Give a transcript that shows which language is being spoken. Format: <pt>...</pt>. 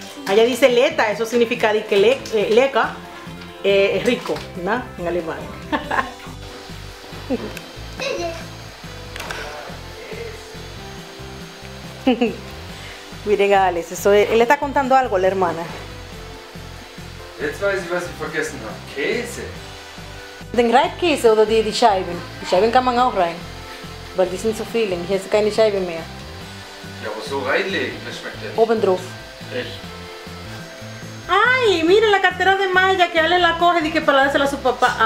<es>Ella dice leta, eso significa de que leca es rico, ¿no? En alemán. Miren, Alex, eso es, él está contando algo a la hermana.</es> <de>Jetzt weiß ich, was ich vergessen habe. Käse. Den Reibkäse oder die Scheiben kann man auch rein. Weil die sind zu viel, hier ist keine Scheibe mehr. Ja, aber so reinlegen, das schmeckt ja nicht. Oben drauf. Echt?</de> <es>Ay, mire la cartera de Maya, que Alex la coge y que para dársela a su papá.</es>